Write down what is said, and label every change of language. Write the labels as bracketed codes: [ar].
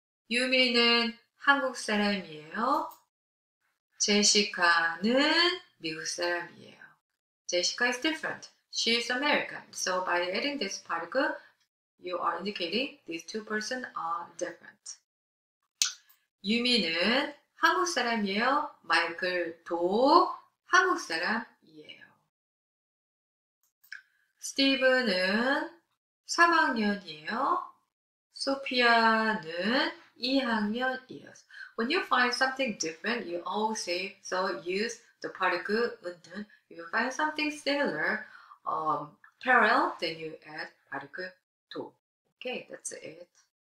[ko] 유미는 한국 사람이에요. 제시카는 미국 사람이에요. [en] Jessica is different. She's American. So by adding this particle, you are indicating these two persons are different. [ko] 유미는 한국 사람이에요. 마이클도 한국 사람이에요. 스티브는 3학년이에요. 소피아는 2학년이에요. [en] When you find something different, you always say, so use the particle 은, if you find something similar, parallel, then you add particle 도. Okay, that's it.